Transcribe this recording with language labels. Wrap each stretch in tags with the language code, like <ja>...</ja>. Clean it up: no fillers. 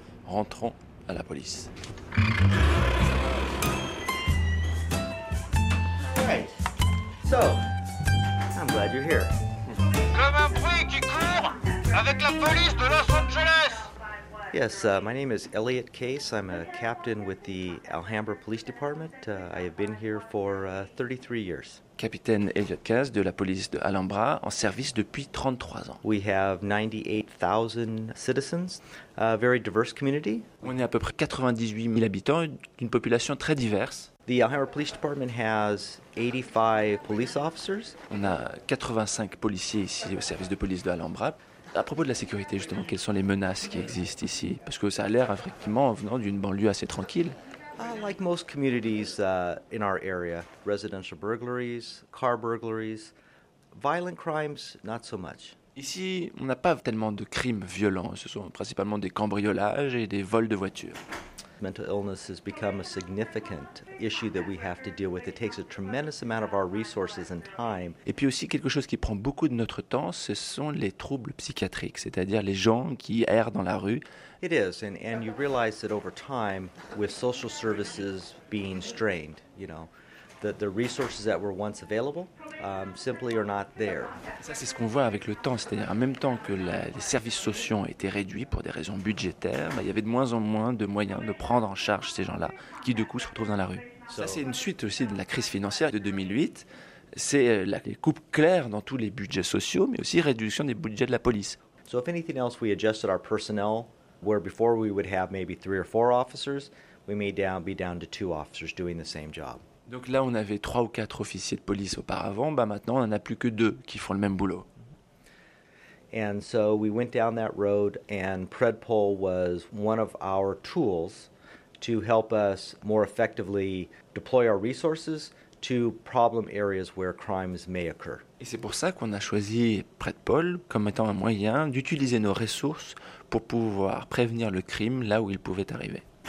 <fr>Rentrons à la police.</fr> <en>Hey, so, I'm glad you're here.</en> <fr>Comme un bruit qui court avec la police de Los Angeles.</fr> <en>Yes, my name is Elliot Case. I'm a captain with the Alhambra Police Department. I have been here for 33 years.</en> <fr>Capitaine Elliot Case de la police de Alhambra, en service depuis 33 ans.</fr> <en>We have 98,000 citizens, a very diverse community.</en> <fr>On est à peu près 98 000 habitants d'une population très diverse.</fr> <en>The Alhambra Police Department has 85 police officers.</en> <fr>On a 85 policiers ici au service de police de Alhambra. À propos de la sécurité, justement, quelles sont les menaces qui existent ici? Parce que ça a l'air, effectivement, en venant d'une banlieue assez tranquille.</fr> <en>Like most communities in our area, residential burglaries, car burglaries, violent crimes, not so much.</en> <fr>Ici, on n'a pas tellement de crimes violents. Ce sont principalement des cambriolages et des vols de voitures.</fr> <en>Mental illness has become a significant issue that we have to deal with. It takes a tremendous amount of our resources and time.</en> <fr>Et puis aussi quelque chose qui prend beaucoup de notre temps, ce sont les troubles psychiatriques, c'est-à-dire les gens qui errent dans la rue.</fr> <en>It is, and you realize that over time, with social services being strained, you know, that the resources that were once available simply are not there.</en> <fr>Ça, c'est ce qu'on voit avec le temps, c'est-à-dire en même temps que les services sociaux ont été réduits pour des raisons budgétaires, il y avait de moins en moins de moyens de prendre en charge ces gens-là qui, du coup, se retrouvent dans la rue. Ça, c'est une suite aussi de la crise financière de 2008. C'est les coupes claires dans tous les budgets sociaux, mais aussi réduction des budgets de la police.</fr> <en>So if anything else, we adjusted our personnel, where before we would have maybe three or four officers, we may be down to two officers doing the same job.</en> <fr>Donc là, on avait trois ou quatre officiers de police auparavant. Bah maintenant, on n'en a plus que deux qui font le même boulot.</fr> <en>And so we went down that road, and PredPol was one of our tools to help us more effectively deploy our resources to problem areas where crimes may occur.</en> <fr>Et c'est pour ça qu'on a choisi PredPol comme étant un moyen d'utiliser nos ressources pour pouvoir prévenir le crime là où il pouvait arriver.</fr>